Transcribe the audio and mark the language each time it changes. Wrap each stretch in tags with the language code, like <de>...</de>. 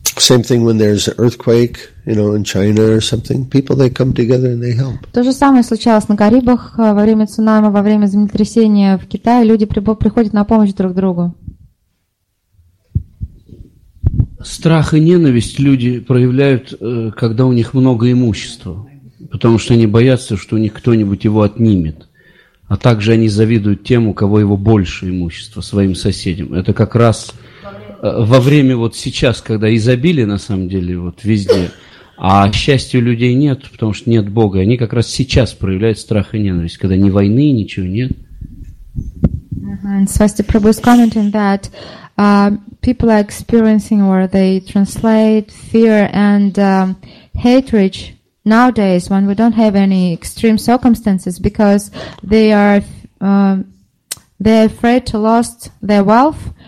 <en>Same thing when there's an earthquake, you know, in China or something. People, they come together and they help.</en> <ru>То же самое случалось на Карибах во время цунами, во время землетрясения в Китае. Люди приходят на помощь друг другу. Страх и ненависть люди проявляют, когда у них много имущества, потому что они боятся, что у них кто-нибудь его отнимет. А также они завидуют тем, у кого его больше имущества, своим соседям. Это как раз... Во время вот сейчас, когда изобилие на самом деле вот везде, а счастья у людей нет, потому что нет Бога, они как раз сейчас проявляют страх и ненависть, когда ни войны, ничего нет.</ru> <en>Swasti Prabhu's commenting that people are experiencing or they translate fear and hatred nowadays when we don't have any extreme circumstances because they are afraid to lost their wealth.</en>